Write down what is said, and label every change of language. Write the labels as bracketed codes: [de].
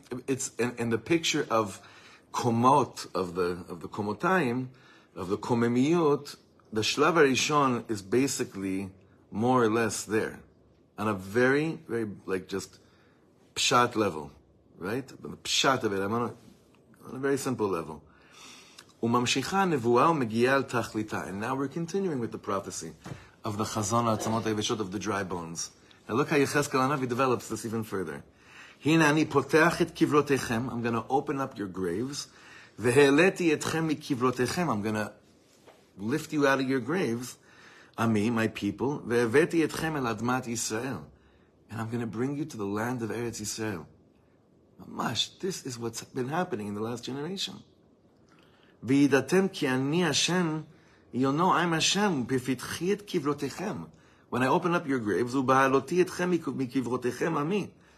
[en] It's in the picture of Komot, of the Komotayim, of the Komemiyot, the Shlav HaRishon is basically more or less there. On a very, very, like, just pshat level. Right? The pshat of it, I'm on a very simple level. [he] וממשיכה הנבואה ומגיעה אל תכליתה. [en] And now we're continuing with the prophecy of the chazon [he] העצמות היבשות [en] of the dry bones. Now look how יחזקאל הנביא develops this even further. [he] הנה אני פותח את קברותיכם, [en] I'm going to open up your graves, [he] והעליתי אתכם מקברותיכם, [en] I'm going to lift you out of your graves, [he] עמי, [en] my people, [he] והבאתי אתכם אל אדמת ישראל. [en] And I'm going to bring you to the land of Eretz Yisrael. Mamash, this is what's been happening in the last generation. [he] V'idatem ki ani Hashem, [en] you'll know I'm Hashem, [he] b'fitchi et kivrotechem. [en] When I open up your graves, [he] u'ba'aloti etchem mikivrotechem ami.